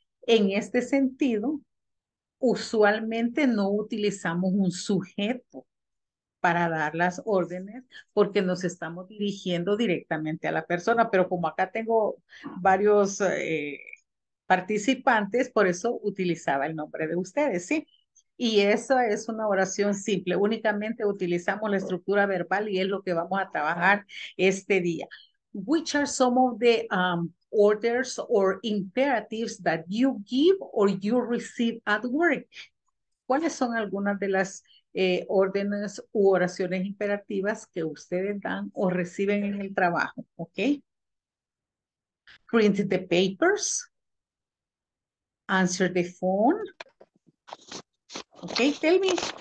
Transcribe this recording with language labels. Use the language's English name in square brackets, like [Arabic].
[Spanish] En este sentido, usualmente no utilizamos un sujeto para dar las órdenes porque nos estamos dirigiendo directamente a la persona. Pero como acá tengo varios participantes, por eso utilizaba el nombre de ustedes, ¿sí? Y esa es una oración simple. Únicamente utilizamos la estructura verbal y es lo que vamos a trabajar este día. [English] Which are some of the orders or imperatives that you give or you receive at work? [Spanish] ¿Cuáles son algunas de las órdenes u oraciones imperativas que ustedes dan o reciben en el trabajo? [English] Okay. Print the papers. Answer the phone. Okay, tell me.